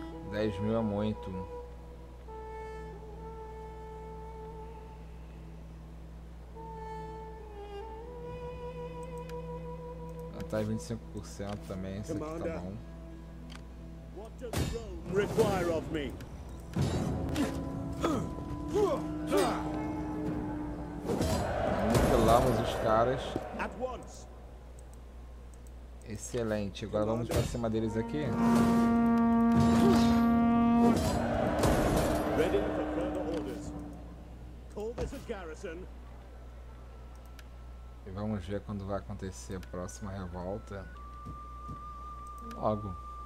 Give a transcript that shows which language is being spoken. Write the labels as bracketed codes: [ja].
[pt] Dez mil é muito. Tá 25% também, isso aqui tá bom. [en] What does Rome require of me? [pt] Aniquilamos os caras. Excelente, agora vamos pra cima deles aqui. [en] Ready for further orders. Call this a garrison. [pt] E vamos ver quando vai acontecer a próxima revolta. Logo.